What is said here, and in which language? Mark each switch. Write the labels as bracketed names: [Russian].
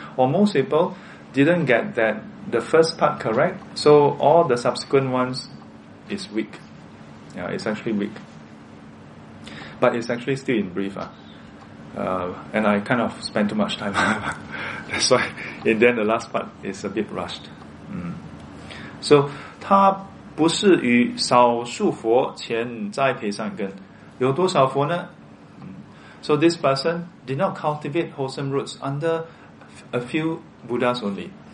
[English] Or most people didn't get that the first part correct, so all the subsequent ones is weak. Yeah, it's actually weak. But it's actually still in brief. And I kind of spent too much time. That's why, and then the last part is a bit rushed. [Chinese] So, 不是与少数佛前栽培善根. 有多少佛呢? [English] So this person did not cultivate wholesome roots under a few Buddhas only.